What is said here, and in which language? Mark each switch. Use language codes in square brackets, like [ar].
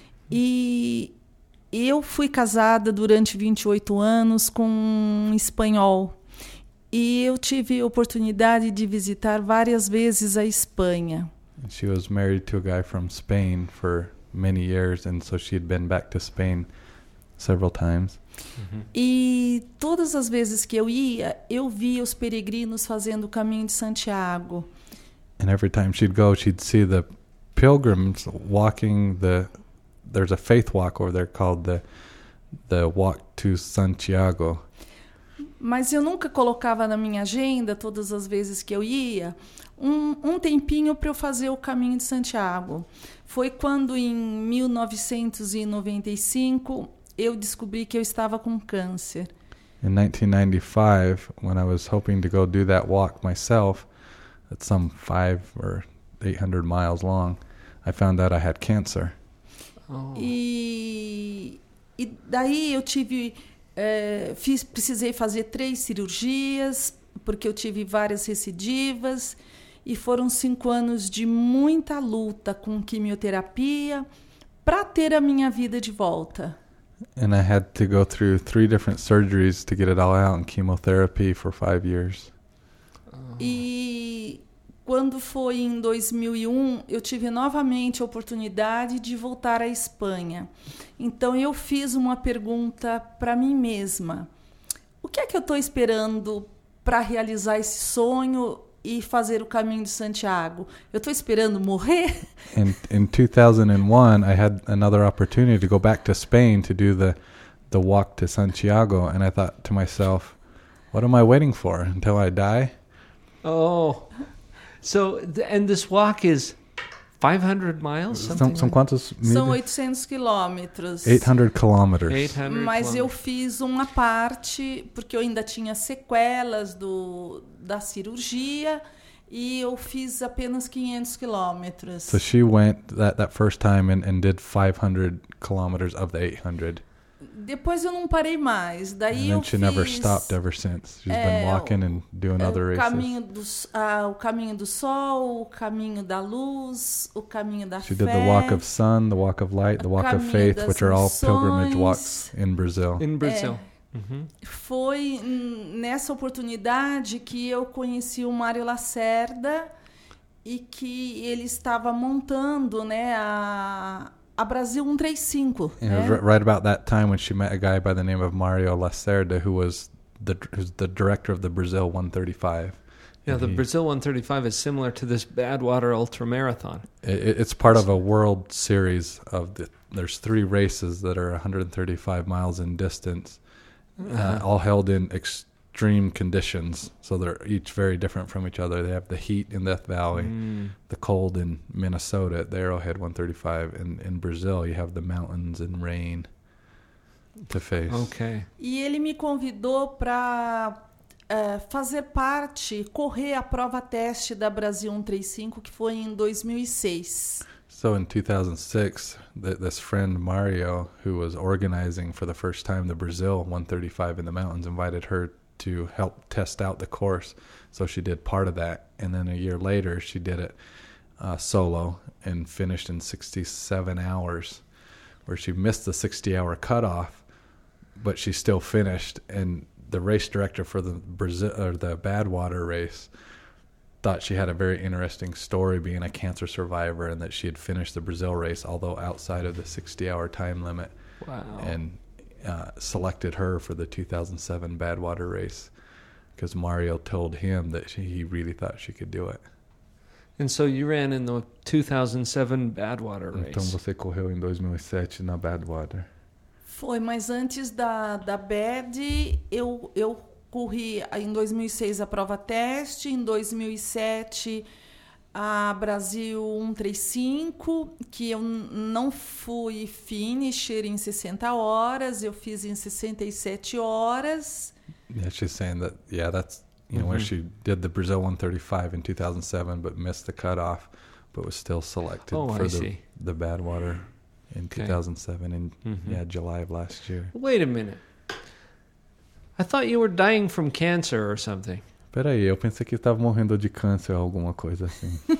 [pt] E eu fui casada durante 28 anos com um espanhol. E eu tive a oportunidade de visitar várias vezes a Espanha. [en] And she was married to a guy from Spain for many years, and so she had been back to Spain several times. Mm-hmm. [pt] E todas as vezes que eu ia, eu via os peregrinos fazendo o caminho de Santiago. [en] And every time she'd go, she'd see the pilgrims walking there's a faith walk over there called the walk to Santiago. [pt] Mas eu nunca colocava na minha agenda, todas as vezes que eu ia, um tempinho para eu fazer o caminho de Santiago. Foi quando, em 1995, eu descobri que eu estava com câncer. [en] In 1995, when I was hoping to go do that walk myself, at some 500 or 800 miles long, I found out I had cancer. [pt] Oh. E daí eu tive... precisei fazer 3 cirurgias, porque eu tive várias recidivas, e foram 5 anos de muita luta com quimioterapia para ter a minha vida de volta. [en] And I had to go through 3 different surgeries to get it all out, and chemotherapy for 5 years. [pt] E quando foi em 2001, eu tive novamente a oportunidade de voltar à Espanha. Então, eu fiz uma pergunta para mim mesma. O que é que eu estou esperando para realizar esse sonho e fazer o caminho de Santiago? Eu estou esperando morrer? [en] In 2001, I had another opportunity to go back to Spain to do the walk to Santiago. And I thought to myself, what am I waiting for? Until I die? Oh, so, and this walk is 500 miles? [pt] São quantos? São 800 quilômetros. [en] 800 kilometers. [pt] Mas eu fiz uma parte, porque eu ainda tinha sequelas da cirurgia, e eu fiz apenas 500 quilômetros. [en] So she went that first time and did 500 kilometers of the 800. [pt] Depois eu não parei mais. Daí [en] and she never stopped ever since. She's been walking and doing other races. [pt] O caminho do sol, o caminho da luz, o caminho da fé. [en] She did the walk of sun, the walk of light, the walk of faith, which are all pilgrimage walks in Brazil. In Brazil. [pt] Foi nessa oportunidade que eu conheci o Mário Lacerda e que ele estava montando, né, a Brasil 135. [en] It was right about that time when she met a guy by the name of Mario Lacerda, who's the director of the Brazil 135. Yeah, Brazil 135 is similar to this Badwater Ultra Marathon. It's part of a world series of there's three races that are 135 miles in distance, all held in extreme conditions. So they're each very different from each other. They have the heat in Death Valley, the cold in Minnesota at the Arrowhead 135. And in Brazil, you have the mountains and rain to face. Okay. [pt] E ele me convidou para fazer parte, correr a prova teste da Brasil 135, que foi em 2006. [en] So in 2006, this friend Mario, who was organizing for the first time the Brazil 135 in the mountains, invited her to help test out the course, so she did part of that, and then a year later she did it solo and finished in 67 hours, where she missed the 60-hour cutoff, but she still finished. And the race director for the Brazil or the Badwater race thought she had a very interesting story, being a cancer survivor, and that she had finished the Brazil race although outside of the 60-hour time limit. Wow. And selected her for the 2007 Badwater race because Mario told him that he really thought she could do it. And so you ran in the 2007 Badwater race. [pt] Então você correu em 2007 na Badwater. Foi, mas antes da Bad, eu corri em 2006 a prova teste, em 2007 a Brasil 135, que eu não fui finisher em 60 horas, eu fiz em 67 horas. [en] Yeah, she's saying that, yeah, that's, you know, where she did the Brazil 135 in 2007, but missed the cutoff, but was still selected for the Badwater in 2007, in July of last year. Wait a minute. I thought you were dying from cancer or something. [pt] Peraí, eu pensei que estava morrendo de câncer ou alguma coisa assim.